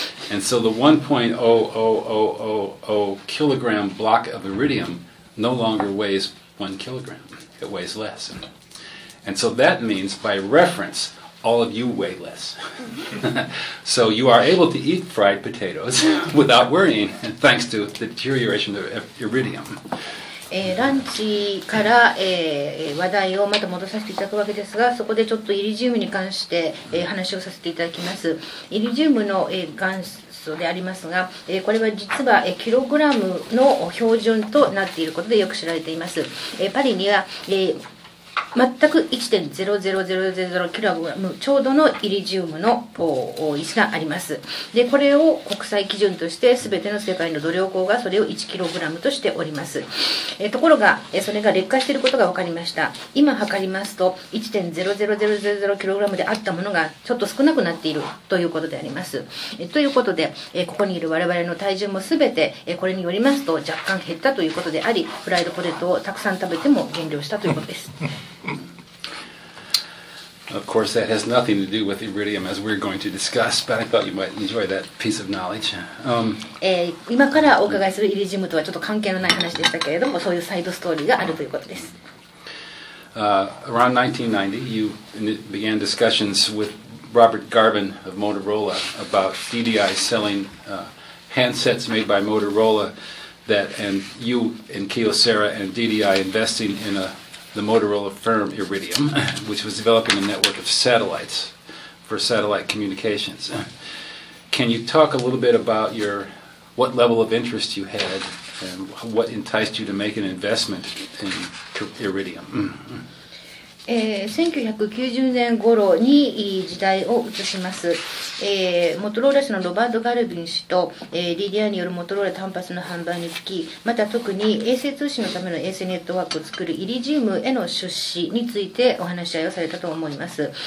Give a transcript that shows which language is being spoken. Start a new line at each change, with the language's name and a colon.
English: And so the 1.00000 kilogram block of iridium no longer weighs 1 kilogram. It weighs less. And so that means, by reference, all of you weigh less. So you are able to eat fried potatoes without worrying, thanks to the deterioration of iridium.
Japanese: ランチから、話題をまた戻させていただくわけですが、そこでちょっとイリジウムに関して、話をさせていただきます。イリジウムの、元素でありますが、これは実は、キログラムの標準となっていることでよく知られています。パリには、全く 1.00000 キログラムちょうどのイリジウムの石があります。でこれを国際基準として、全ての世界の土壌鉱がそれを1キログラムとしております。ところがそれが劣化していることが分かりました。今測りますと 1.00000 キログラムであったものがちょっと少なくなっているということであります。ということで、ここにいる我々の体重も全てこれによりますと若干減ったということであり、フライドポテトをたくさん食べても減量したということです。
English: Of course, that has nothing to do with iridium, as we're going to discuss, but I thought you might enjoy that piece of knowledege.
Japanese: 今からお伺いするイリジウムとはちょっと関係のない話でしたけれども、そういうサイドストーリーがあるということです。
English: Around 1990, you began discussions with Robert Garvin of Motorola about DDI selling handsets made by Motorola, that and you and Kyocera and DDI investing in the Motorola firm Iridium, which was developing a network of satellites for satellite communications. Can you talk a little bit about your, what level of interest you had and what enticed you to make an investment in Iridium?
Japanese: 1990年頃に時代を移します。モトローラ氏のロバート・ガルビン氏と、DDI によるモトローラ端末の販売につき、また特に衛星通信のための衛星ネットワークを作るイリジウムへの出資についてお話し合いをされたと思います。